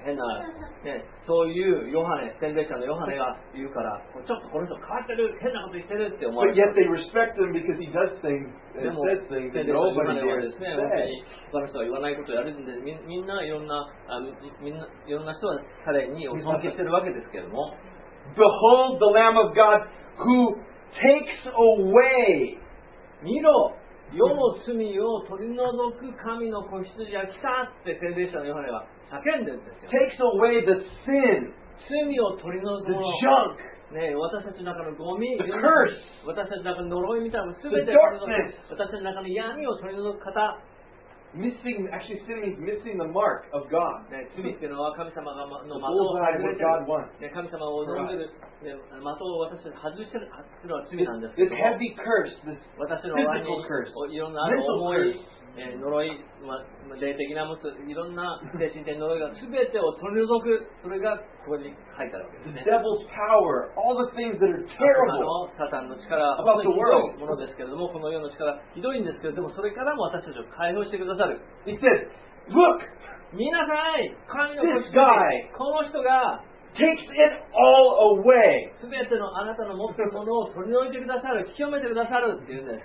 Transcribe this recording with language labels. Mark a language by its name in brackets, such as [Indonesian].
[Japanese] 変な、ね、そういうヨハネ、宣伝者のヨハネが言うから、ちょっとこの人変わってる、変なこと言ってるって思われる。 [English] But yet they respect him because he does things, says things. [Japanese] でもヨハネはですね、本当に他の人は言わないことをやるんで、みんないろんな、いろんな人は彼にお尊敬してるわけですけども。 [English] Behold the Lamb of God who takes away. [Japanese] 見ろ。世の罪を取り除く神の子羊が来たって宣伝者のヨハネは叫んでるんですよ。 [English] Takes away the sin, [Japanese] 罪を取り除く [English] the junk, [Japanese] ね、私たちの中のゴミ、 [English] the curse, [Japanese] 私たちの中の呪いみたいなものすべて取り除く、 [English] the darkness, [Japanese] 私たちの中の闇を取り除く方。 [English] Missing, actually, sin means missing the mark of God. [Japanese] ね、罪っていうのは神様がの的を外してる。ね、神様を呪んでる。ね、的を私たち外してるっていうのは罪なんですけど。 [English] This heavy curse, this physical curse, [Japanese] いろんな重い、呪い、ま、霊的なもつ、いろんな精神的な呪いが全てを取り除く、それがここに書いてあるわけですね。 [English] The devil's power, all the things that are terrible. [Japanese] サタンの力、 [English] about the world. [Japanese] ひどいものですけれども、この世の力、ひどいんですけど、でもそれからも私たちを解放してくださる。 [English] He says, look! [Japanese] 見なさい神の子羊、 [English] this guy! [Japanese] この人が、 [English] takes it all away. [Japanese] 全てのあなたの持っているものを取り除いてくださる、清めてくださるっていうんです。